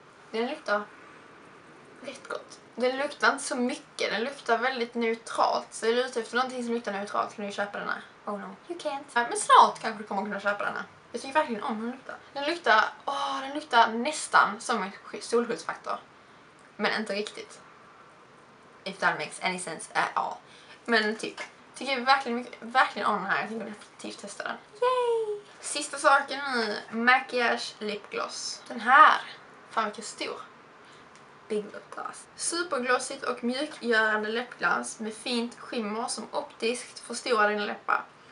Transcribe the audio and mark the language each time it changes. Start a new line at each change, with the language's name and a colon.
Swedish: Den luktar rätt gott. Den luktar inte så mycket. Den luktar väldigt neutralt. Så är du ute efter någonting som luktar neutralt kan du köpa den här.
English: Oh no, you can't.
Swedish: Men snart kanske du kommer kunna köpa den här. Jag tycker verkligen om den luktar. Den luktar, den luktar nästan som en solskyddsfaktor. Men inte riktigt.
English: If that makes any sense at all.
Swedish: Men typ, tycker jag verkligen, verkligen om den här. Jag tänker definitivt testa den. Yay! Sista saken nu. Maquillage Lip Gloss. Den här. Fan vilken stor.
English: Big lip gloss.
Swedish: Superglossigt och mjukgörande läppglans med fint skimmer som optiskt förstorar dina läppar.